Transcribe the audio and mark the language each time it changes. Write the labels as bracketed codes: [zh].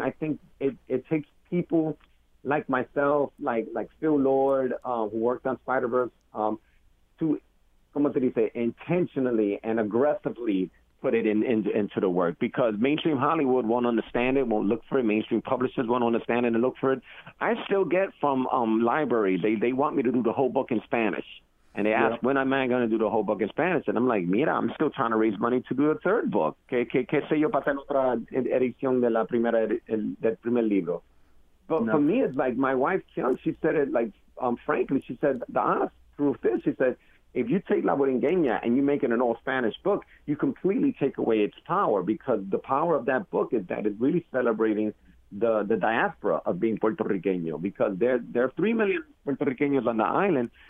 [en] I think it takes people like myself, like Phil Lord, who worked on Spider-Verse, to, [es] como se dice, [en] intentionally and aggressively put it into the work, because mainstream Hollywood won't understand it, won't look for it. Mainstream publishers won't understand it and look for it. I still get from libraries, they want me to do the whole book in Spanish. And they ask, when am I going to do the whole book in Spanish? And I'm like, mira, I'm still trying to raise money to do a third book. [es] ¿Qué sé yo para hacer otra edición de la primera, del primer libro? [en] But for me, it's like my wife, Kyung, she said it like, frankly, she said, the honest truth is, she said, if you take La Buringueña and you make it an all-Spanish book, you completely take away its power, because the power of that book is that it's really celebrating the diaspora of being Puerto Rican, because there are 3 million Puerto Ricanos on the island,